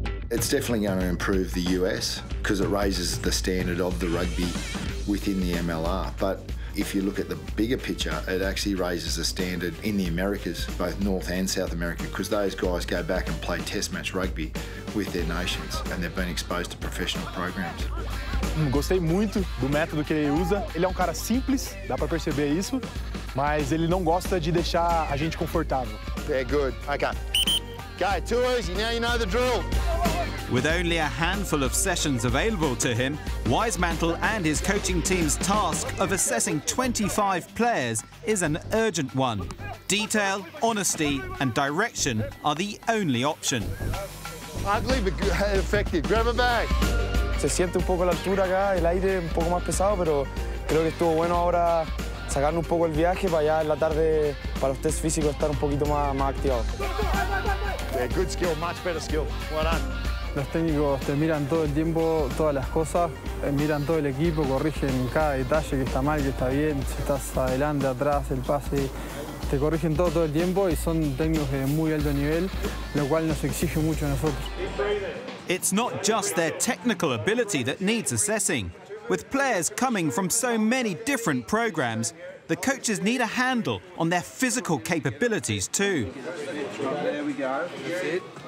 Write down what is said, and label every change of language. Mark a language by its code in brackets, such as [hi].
[en] It's definitely going to improve the US because it raises the standard of the rugby within the MLR. But if you look at the bigger picture, it actually raises the standard in the Americas, both North and South America, because those guys go back and play test match rugby with their nations and they've been exposed to professional programs. [pt] Gostei muito do método que ele usa. Ele é um cara simples, dá para perceber isso, mas ele não gosta de deixar a gente confortável. [en] Yeah, good. Okay. Okay, too easy, now you know the drill. With only a handful of sessions available to him, Weismantle and his coaching team's task of assessing 25 players is an urgent one. Detail, honesty, and direction are the only option. Ugly but effective. Grab a bag. [es] Se siente un poco la altura acá, el aire un poco más pesado, pero creo que estuvo bueno ahora sacarnos un poco el viaje para allá en la tarde para los test físicos estar un poquito más activado. [en] Yeah, good skill, much better skill. Well done. [es] Los técnicos te miran todo el tiempo, todas las cosas, miran todo el equipo, corrigen cada detalle que está mal, que está bien, si estás adelante, atrás, el pase. Te corrigen todo el tiempo y son técnicos de muy alto nivel, lo cual nos exige mucho a nosotros. [en] It's not just their technical ability that needs assessing. With players coming from so many different programs, the coaches need a handle on their physical capabilities too. There we go. That's it.